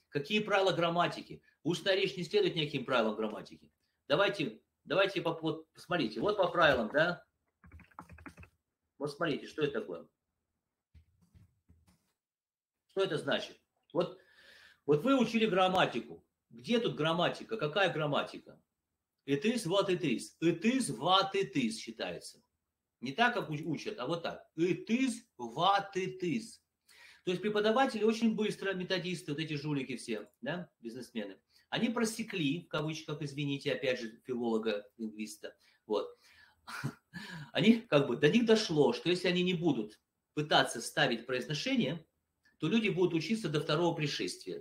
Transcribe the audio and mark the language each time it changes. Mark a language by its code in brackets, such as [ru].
[ru] Какие правила грамматики? Устная речь не следует никаким правилам грамматики. Давайте посмотрите. Вот по правилам, да? Вот смотрите, что это такое? Что это значит? Вот вы учили грамматику. Где тут грамматика? Какая грамматика? [en] It is what it is. It is what it is [ru] считается. Не так, как учат, а вот так. [en] It is what it is. [ru] То есть преподаватели очень быстро, методисты, вот эти жулики все, да, бизнесмены, они просекли, в кавычках, извините, опять же, филолога, лингвиста, вот. Они как бы, до них дошло, что если они не будут пытаться ставить произношение, то люди будут учиться до второго пришествия.